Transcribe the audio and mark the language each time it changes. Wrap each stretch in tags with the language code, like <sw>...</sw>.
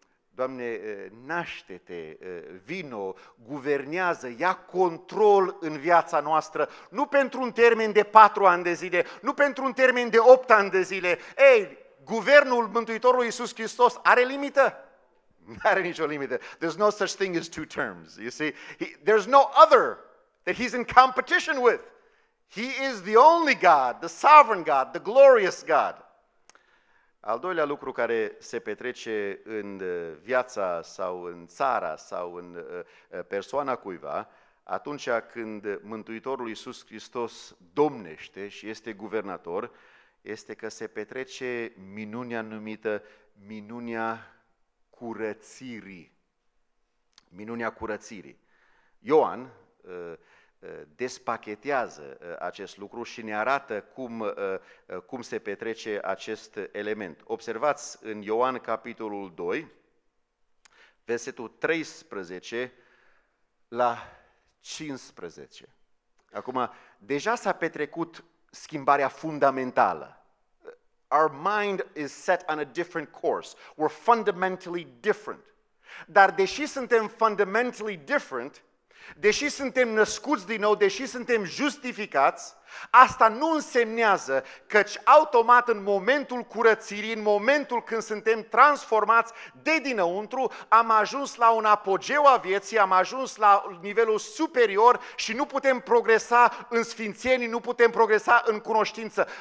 <ro>Doamne, naște-te, vino, guvernează, ia control în viața noastră, nu pentru un termen de 4 ani de zile, nu pentru un termen de 8 ani de zile, ei, guvernul Mântuitorului Iisus Hristos are limită? Nu are nicio limită.</ro> <en>There's no such thing as 2 terms. You see, there's no other that he's in competition with. He is the only God, the sovereign God, the glorious God.</en> <ro>Al doilea lucru care se petrece în viața sau în țara sau în persoana cuiva, atunci când Mântuitorul Iisus Hristos domnește și este guvernator, este că se petrece minunea numită minunea curățirii. Minunea curățirii. Ioan despachetează acest lucru și ne arată cum se petrece acest element. Observați în Ioan capitolul 2, versetul 13 la 15. Acum, deja s-a petrecut schimbarea fundamentală.</ro> <en>Our mind is set on a different course. We're fundamentally different.</en> <ro>Dar deși suntem</ro> <en>fundamentally different,</en> <ro>deși suntem născuți din nou, deși suntem justificați, asta nu însemnează că automat în momentul curățirii, în momentul când suntem transformați de dinăuntru, am ajuns la un apogeu a vieții, am ajuns la nivelul superior și nu putem progresa în sfințenii, nu putem progresa în cunoștință.</ro>